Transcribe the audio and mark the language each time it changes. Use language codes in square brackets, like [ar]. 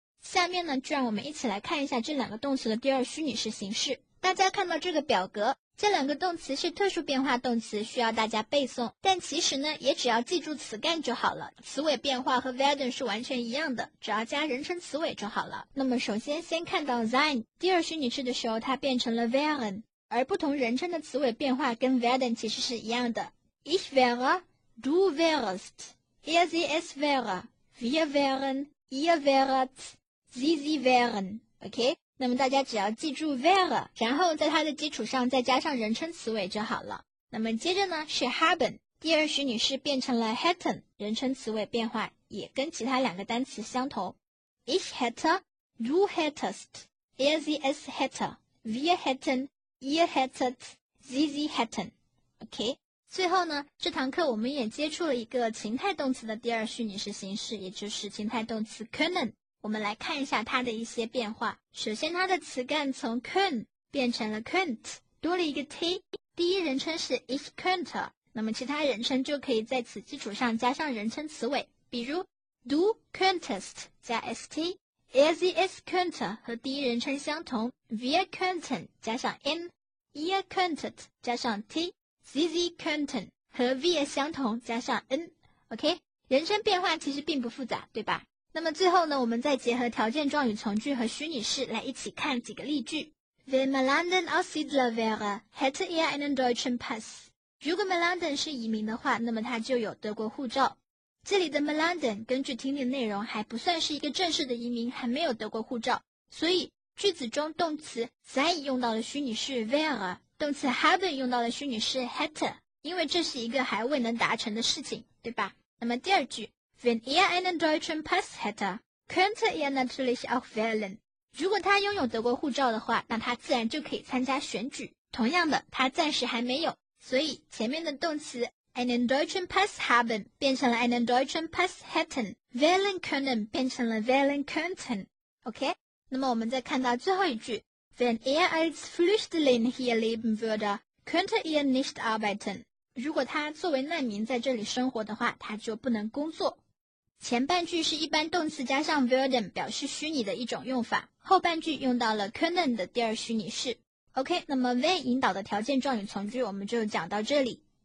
[zh] 下面呢，就让我们一起来看一下这两个动词的第二虚拟式形式。大家看到这个表格，这两个动词是特殊变化动词，需要大家背诵，但其实呢也只要记住词干就好了，词尾变化和 werden 是完全一样的，只要加人称词尾就好了。那么首先先看到 sein 第二虚拟式的时候，它变成了 werden， 而不同人称的词尾变化跟 werden 其实是一样的， [de] ich wäre， du wärest， er sie es wäre， wir wären， ihr wäret， sie sie wären， [zh] OK。那么大家只要记住 wäre， 然后在它的基础上再加上人称词尾就好了。那么接着呢是 haben， 第二虚拟式变成了 hätten， 人称词尾变化也跟其他两个单词相同， [de] ich hätte， du hättest， er sie es hätte， wir hätten， ihr hättet， sie sie hätten， [zh] OK。最后呢，这堂课我们也接触了一个情态动词的第二虚拟式形式，也就是情态动词 können。我们来看一下它的一些变化。首先它的词干从 können 变成了 könnt， 多了一个 t， 第一人称是 [de] ich könnte， [zh] 那么其他人称就可以在此基础上加上人称词尾，比如 [de] du könntest [zh] 加 st， [de] er sie es könnte [zh] 和第一人称相同， [de] wir könnten [zh] 加上 n， [de] ihr könntet [zh] 加上 t， [de] sie sie könnten [zh] 和 wir 相同加上 n， OK， 人称变化其实并不复杂，对吧？那么最后呢，我们再结合条件状语从句和虚拟式来一起看几个例句。 [de] Wenn Melanden aus Siedler wäre, hätte er einen deutschen Pass. [zh] 如果 Melanden 是移民的话，那么他就有德国护照。这里的 Melanden 根据听力内容还不算是一个正式的移民，还没有德国护照。所以句子中动词 sein 用到了虚拟式 wäre， 动词 haben 用到了虚拟式 hätte， 因为这是一个还未能达成的事情，对吧？那么第二句， [de] Wenn er einen deutschen Pass hätte, könnte er natürlich auch wählen. [zh] 如果他拥有德国护照的话，那他自然就可以参加选举。同样的，他暂时还没有，所以前面的动词 [de] einen deutschen Pass haben [zh] 变成了 [de] einen deutschen Pass hätten, wählen können [zh] 变成了 [de] wählen könnten. [zh] OK? 那么我们再看到最后一句， [de] Wenn er als Flüchtling hier leben würde, könnte er nicht arbeiten. [zh] 如果他作为难民在这里生活的话，他就不能工作。前半句是一般动词加上 würden 表示虚拟的一种用法，后半句用到了 können 的第二虚拟式。 OK， 那么 wenn 引导的条件状语从句我们就讲到这里。